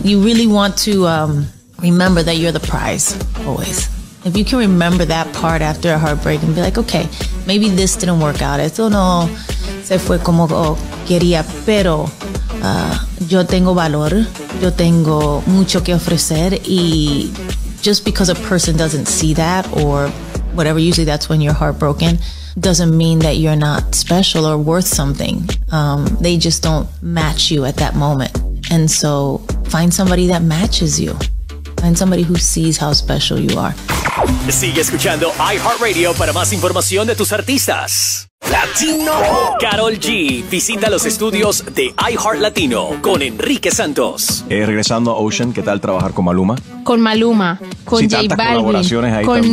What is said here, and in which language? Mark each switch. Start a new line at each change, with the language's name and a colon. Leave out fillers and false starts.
English: You really want to remember that you're the prize. Always. If you can remember that part after a heartbreak and be like, okay, maybe this didn't work out.
Spanish: Esto no se fue como quería, pero yo tengo valor, yo tengo mucho que ofrecer.
English: Y just because a person doesn't see that or whatever, usually that's when you're heartbroken, doesn't mean that you're not special or worth something. They just don't match you at that moment. And so find somebody that matches you. Find somebody who sees how special you are.
Spanish: Sigue escuchando iHeartRadio para más información de tus artistas. Latino. Karol G visita los estudios de iHeartLatino con Enrique Santos. Regresando a Ocean, ¿qué tal trabajar con Maluma? Con Maluma, con J Balvin, con